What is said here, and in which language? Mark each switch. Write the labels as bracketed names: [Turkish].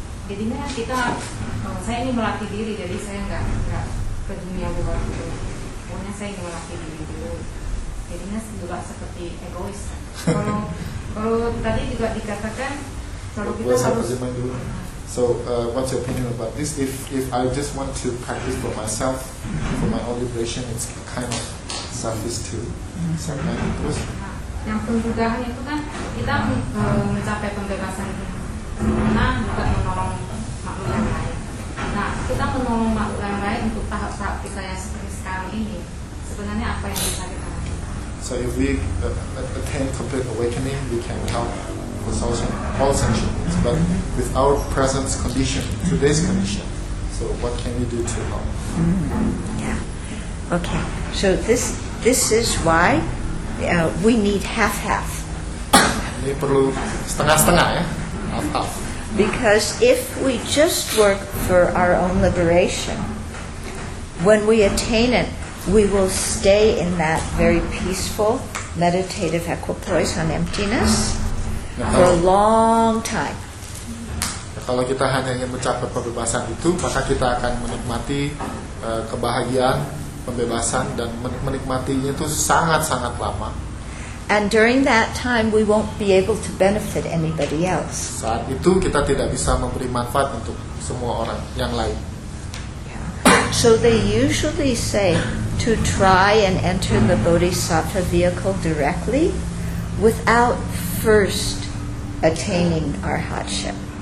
[Indonesian] jadinya kita saya ini melatih diri, jadi saya nggak ke dunia luar gitu. Pokoknya saya ingin melatih diri dulu. Jadinya juga seperti egois. Kalau tadi juga dikatakan kalau kita harus. [English] So, what's your opinion about this? If I just want to practice for myself, for my own liberation, it's kind of selfish too. So, [Indonesian] yang penting itu kan kita mencapai pembebasan karena kita menolong makhluk yang lain. Nah, kita menolong makhluk yang lain untuk tahap-tahap kita yang seperti sekarang ini. Sebenarnya apa yang bisa kita lakukan? [English] So, if we attain complete awakening, we can help. All sentient beings, but with our present condition, today's condition. So, what can we do to help? Mm, yeah. Okay. So this is why we need half-half. [Indonesian] Ini perlu setengah-setengah ya, [English] half-half. Because if we just work for our own liberation, when we attain it, we will stay in that very peaceful meditative equipoise on emptiness. Nah, for a long time. [Indonesian] Nah, kalau kita hanya ingin mencapai pembebasan itu, maka kita akan menikmati kebahagiaan, pembebasan, dan menikmatinya itu sangat-sangat lama. [English] And during that time, we won't be able to benefit anybody else. [Indonesian] Saat itu kita tidak bisa memberi manfaat untuk semua orang yang lain. [English] Yeah. So they usually say to try and enter the Bodhisattva vehicle directly, without first attaining arhatship.